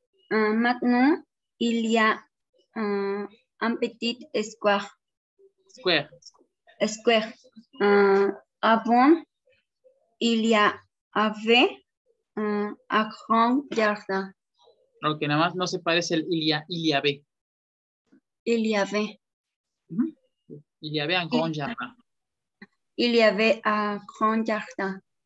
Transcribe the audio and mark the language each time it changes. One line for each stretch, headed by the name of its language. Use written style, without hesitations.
French: Maintenant, il y a un petit square. Avant, il y avait un grand jardin.
Spanish: Ok, nada más no se parece el
French: il y avait. Il y avait. Uh-huh. Il y avait un grand jardin. Il y avait un grand jardin.